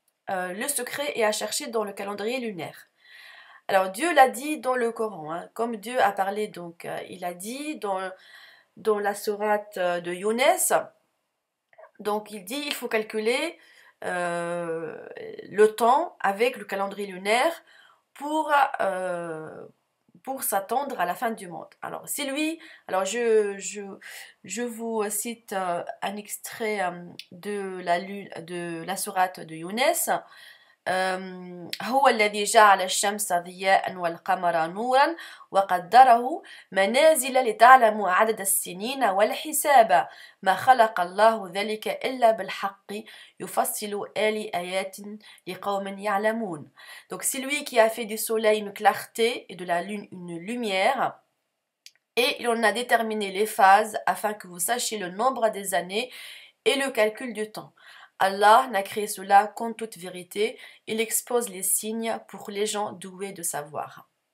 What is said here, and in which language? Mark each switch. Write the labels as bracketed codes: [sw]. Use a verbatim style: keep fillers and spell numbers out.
[fr] Euh, le secret est à chercher dans le calendrier lunaire. Alors Dieu l'a dit dans le Coran, hein, comme Dieu a parlé donc, euh, il a dit dans, dans la sourate de Younes, donc il dit il faut calculer euh, le temps avec le calendrier lunaire pour, euh, pour s'attendre à la fin du monde. Alors, c'est lui. Alors, je, je, je vous cite euh, un extrait euh, de la lune, de la sourate de Younes. [ar] Euh, هو الذي جعل الشمس ضياء والقمر نورا وقدره منازل لتعلموا عدد السنين والحساب ما خلق الله ذلك إلا بالحق يفصل آل آيات لقوم يعلمون. [fr] Donc c'est lui qui a fait du soleil une clarté et de la lune une lumière, et il en a déterminé les phases afin que vous sachiez le nombre des années et le calcul du temps. Allah n'a créé cela qu'en toute vérité. Il expose les signes pour les gens doués de savoir.